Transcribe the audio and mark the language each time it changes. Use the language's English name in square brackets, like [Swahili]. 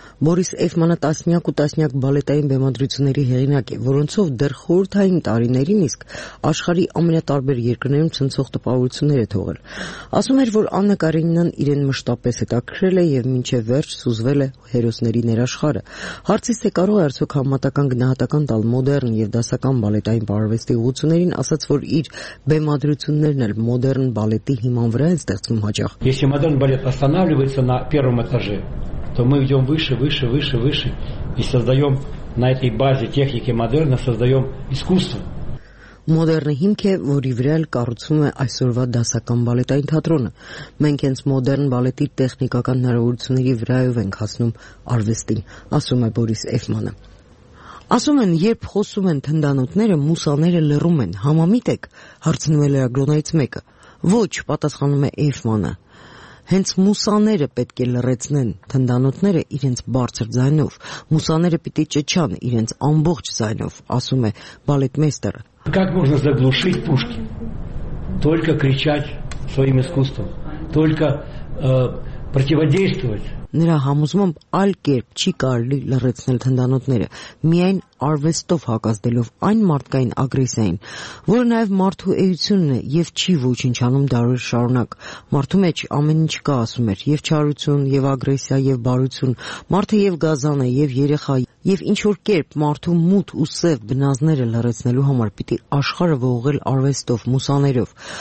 [Armenian] Մորիս Էֆմանը տասնյակ ու տասնյակ բալետային բեմադրությունների հեղինակ է, որոնցով դեռ խորհրդային տարիներին իսկ աշխարհի ամենատարբեր երկրներում ցնցող տպավորություններ է թողել։ Ասում էր, որ Աննա Կարենինան իրեն մշտապես հետաքրել է և մինչև վերջ սուզվել է հերոսների ներաշխարը։ Հարցիս է, կարող է արդյոք համատական գնահատական տալ մոդեռն և դասական բալետային պարարվեստի ուղղություններին, ասաց, որ իր բեմադրություններն էլ մոդեռն բալետի հիման վրա են ստեղծում հաճախ։ [Russian] То мы идем выше, выше, выше, выше и создаем на этой базе техники модерна, создаем искусство. [Armenian] Մոդեռնը հիմք է, որի վրա էլ կառուցվում է այսօրվա դասական բալետային թատրոնը։ Մենք հենց մոդեռն բալետի տեխնիկական հնարավորությունների վրայով ենք հասնում արվեստին, ասում է Բորիս Էֆմանը։ Ասում են, երբ խոսում են թնդանոթները, մուսաները լռում են, համամիտ եք, հարցնում է լրագրողից մեկը։ Ոչ, պատասխանում է Էֆմանը, հենց մուսաները պետք է լրացնեն թնդանոթները իրենց բարձր ձայնով, մուսաները պիտի ճչան իրենց ամբողջ ձայնով, ասում է բալետմեյստերը։ [Russian] Как можно заглушить пушки? Только кричать своим искусством, только противодействовать. [Armenian] Նրա համոզմամբ այլ կերպ չի կարելի լրացնել թնդանոթները, միայն արվեստով հակազդելով այն մարդկային ագրեսիային, որը նաև մարդու էությունն է և չի ոչնչանում դարեր շարունակ։ Մարդու մեջ ամեն ինչ կա, ասում էր, և չարություն, և ագրեսիա, և բարություն, մարդը և գազան է, և երեխա, և ինչ-որ կերպ մարդու մութ ու սև բնազները լրացնելու համար պիտի աշխարհը ողողել արվեստով, մուսաներով։